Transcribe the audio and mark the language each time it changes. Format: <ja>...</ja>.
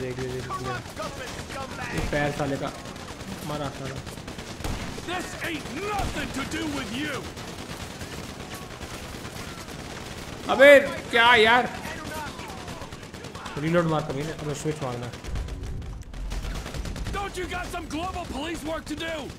<hi>देख लीजिए ये पैर साले का मरा था।</hi> <en>This ain't nothing to do with you.</en> <hi>अबे क्या यार? रीलोड मार कमीने, अबे स्विच मारना।</hi> <en>Don't you got some global police work to do?</en>